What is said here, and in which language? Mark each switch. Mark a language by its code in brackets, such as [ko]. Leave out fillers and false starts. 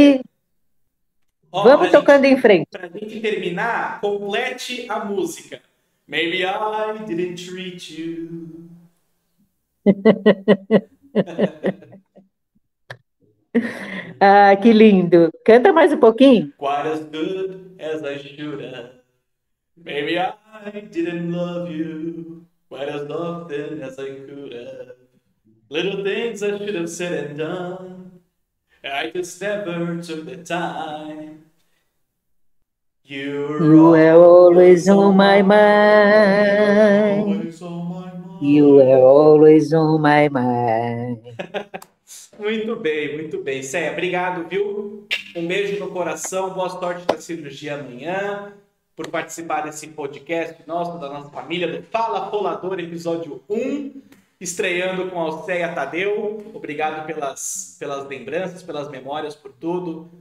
[pt] E vamos tocando em frente. Pra gente terminar, complete a música. [en] Maybe I didn't treat you. [pt] Ah, que lindo. Canta mais um pouquinho. [en] Quite as good as I should have. Maybe I didn't love you quite as often as I could have. Little things I should have said and done. I just never took the time. You are always on my mind. You are always on my mind. [pt] Muito bem, muito bem. Cé, obrigado, viu? Um beijo no coração, boa sorte da cirurgia amanhã, por participar desse podcast nosso, da nossa família, do Fala Folador, episódio 1, estreando com a Alceia Tadeu. Obrigado pelas lembranças, pelas memórias, por tudo.